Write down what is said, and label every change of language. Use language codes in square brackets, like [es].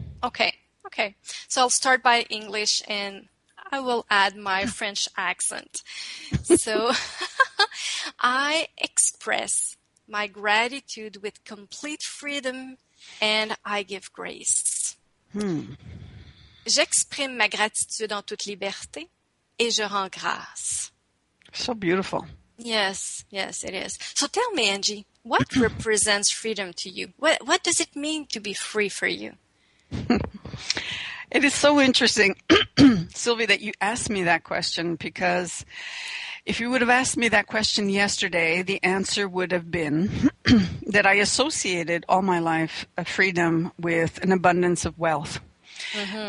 [en] Okay, so I'll start by English and I will add my French accent. So, I express my gratitude with complete freedom and I give grace. [fr] J'exprime ma gratitude en toute liberté et je rends grâce. [en] So beautiful. Yes, yes, it is. So tell me, Angie, what represents freedom to you? What does it mean to be free for you? It is so interesting, Sylvie, that you asked me that question, because if you would have asked me that question yesterday, the answer would have been that I associated all my life a freedom with an abundance of wealth. mm-hmm.